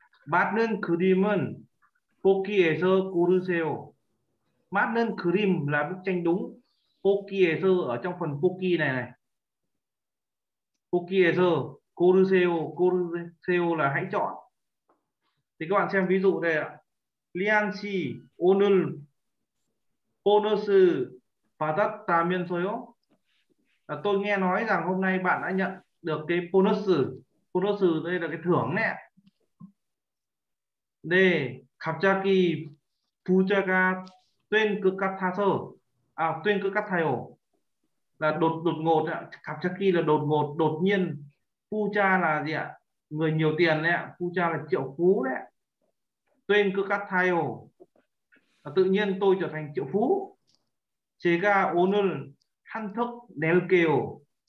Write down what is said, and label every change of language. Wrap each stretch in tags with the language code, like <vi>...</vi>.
<ko>맛는 그림은 포키에서 고르세요. 맛는 그림</ko> <vi>là bức tranh đúng.</vi> <ko>포키에서</ko> <vi>ở trong phần 포키 này này.</vi> <ko>포키에서 고르세요. 고르세요</ko> <vi>là hãy chọn. Thì các bạn xem ví dụ đây ạ.</vi> <ko>리안 씨 오늘 보너스 받았다면서요?</ko> <vi>Tôi nghe nói rằng hôm nay bạn đã nhận được cái bonus. Bonus đây là cái thưởng nè. D.</vi> <ko>갑자기 부자가 된 것 같아서.</ko> <vi>À,</vi> <ko>된 것 같아요.</ko> <vi>Là đột ngột. 갑자기 là đột ngột, đột nhiên. 부자 là gì ạ? Người nhiều tiền đấy ạ. 부자 là triệu phú đấy.</vi> <ko>된 것 같아요.</ko> <vi>Tự nhiên tôi trở thành triệu phú.</vi> <ko>제가 오늘 한턱 낼게요.</ko>